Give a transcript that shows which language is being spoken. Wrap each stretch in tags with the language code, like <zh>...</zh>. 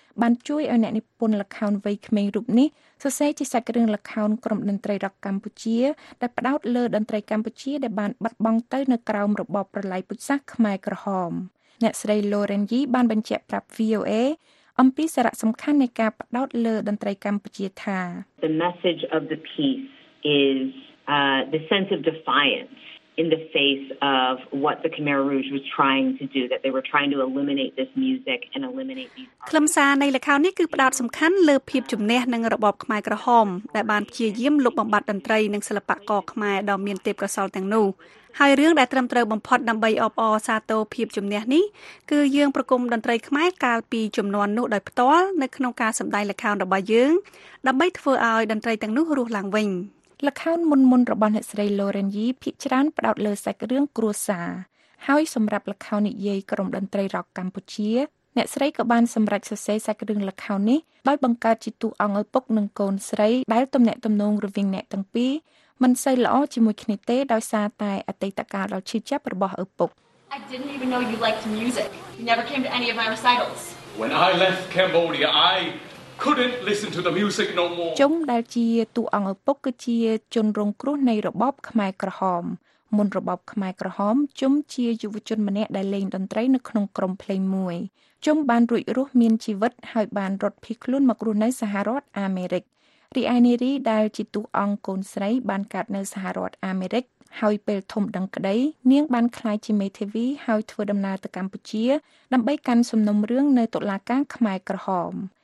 <km>បានជួយឲ្យអ្នកនិពន្ធល្ខោនវ័យក្មេងរូបនេះសរសេរជាសាច់រឿងល្ខោនក្រុមតន្ត្រីរ៉ុកកម្ពុជាដែលផ្ដោតលើតន្ត្រីកម្ពុជាដែលបានបាត់បង់ទៅនៅក្រោមរបបប្រល័យពូជសាសន៍ខ្មែរក្រហមអ្នកស្រីឡូរ៉ែនយីបានបញ្ជាក់ប្រាប់ VOA អំពីសារៈសំខាន់នៃការផ្ដោតលើតន្ត្រីកម្ពុជាថា</km> <en>The message of the piece is the sense of defiance in the face of what the Khmer Rouge was trying to do that they were trying to eliminate this music and eliminate these</en> <km>ខ្លឹមសារនៃល្ខោននេះគឺផ្ដោតសំខាន់លើភាពជំនះនឹងរបបខ្មែរក្រហមដែលបានព្យាយាមលុបបំបាត់តន្ត្រីនិងសិល្បករខ្មែរដ៏មានទេពកោសល្យទាំងនោះហើយរឿងដែលត្រឹមត្រូវបំផុតដើម្បីអបអរសាទរភាពជំនះនេះគឺយើងប្រគំតន្ត្រីខ្មែរកាលពីជំនាន់នោះដោយផ្ទាល់នៅក្នុងការសម្ដែងល្ខោនរបស់យើងដើម្បីធ្វើឲ្យតន្ត្រីទាំងនោះរស់ឡើងវិញ ល្ខោនមុនរបស់អ្នកស្រីឡូរិនយីភាគច្រើនផ្ដោតលើសាច់រឿងគ្រួសារហើយសម្រាប់ល្ខោននិយាយក្រុមតន្ត្រីរ៉ុកកម្ពុជាអ្នកស្រីក៏បានសម្រេចសរសេរសាច់រឿងល្ខោននេះដោយបង្កើតជាតួអង្គឪពុកនិងកូនស្រីដែលទំនាក់ទំនងរវាងអ្នកទាំងពីរមិនសូវល្អជាមួយគ្នាទេដោយសារតែអតីតកាលដ៏ឈឺចាប់របស់ឪពុក</km> <en>I didn't even know you liked music. You never came to any of my recitals. When I left Cambodia, I couldn't listen to the music no more.</en> <km>ជុងដែលជាតួអង្គឪពុកគឺជាជនរងគ្រោះនៃរបបខ្មែរក្រហមមុនរបបខ្មែរក្រហមជុំជាយុវជនម្នាក់ដែលលេងតន្ត្រីនៅក្នុងក្រុមភ្លេងមួយជុំបានរួចរស់មានជីវិតហើយបានរត់ភៀសខ្លួនមករស់នៅសហរដ្ឋអាមេរិករីឯនារីដែលជាតួអង្គកូនស្រីបានកើតនៅសហរដ្ឋអាមេរិកហើយពេលធំដឹងក្តីនាងបានក្លាយជាមេធាវីហើយធ្វើដំណើរទៅកម្ពុជាដើម្បីកាន់សំណុំរឿងនៅតុលាការខ្មែរក្រហម</km>